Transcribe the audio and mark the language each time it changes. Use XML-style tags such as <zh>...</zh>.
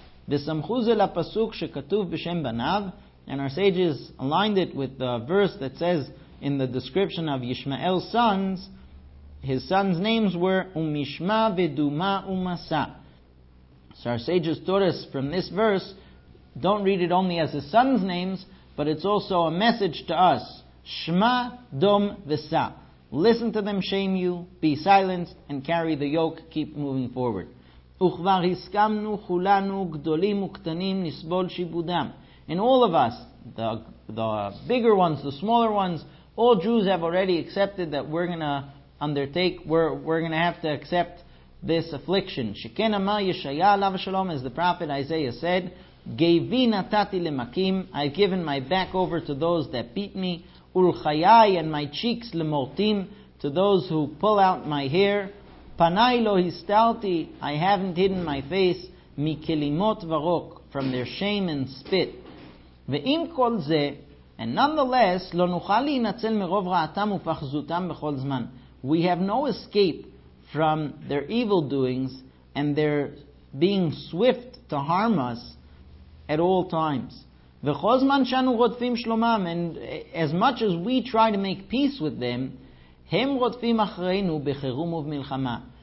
<he>Vesamchuze lapasuk shekatuv b'shem banav,</he> <en>and our sages aligned it with the verse that says in the description of Yishmael's sons, his sons' names were Umishma Veduma Umasa. So our sages taught us from this verse, don't read it only as his sons' names, but it's also a message to us.</en> <he>Shma Dom Vesa.</he> <en>listen to them shame you, be silenced, and carry the yoke, keep moving forward.</en> <he>וכבר הסכמנו כולנו גדולים וקטנים נסבול שיבודם.</he> <en>And all of us, the bigger ones, the smaller ones, all Jews have already accepted that we're going to undertake, we're going to have to accept this affliction.</en> <he>שכן אמר ישעיה עליו השלום,</he> <en>as the prophet Isaiah said,</en> <he>גיבי נתתי למכים,</he> <en>I've given my back over to those that beat me,</en> <he>ולחיי</he> <en>and my cheeks</en> <he>למורטים,</he> <en>to those who pull out my hair,</en> <he>פנאי לא הסתלתי,</he> <en>I haven't hidden my face,</en> <he>מכלימות ורוק,</he> <en>from their shame and spit.</en> <he>ועם כל זה,</he> <en>and nonetheless,</en> <he>לא נוכל להינצל מרוב רעתם ופחזותם בכל זמן.</he> <en>We have no escape from their evil doings and their being swift to harm us at all times.</en> <he>וכל זמן שאנו רודפים שלומם,</he> <en>and as much as we try to make peace with them,</en> <he>הם רודפים אחרינו בחירום ובמלחמה.</he>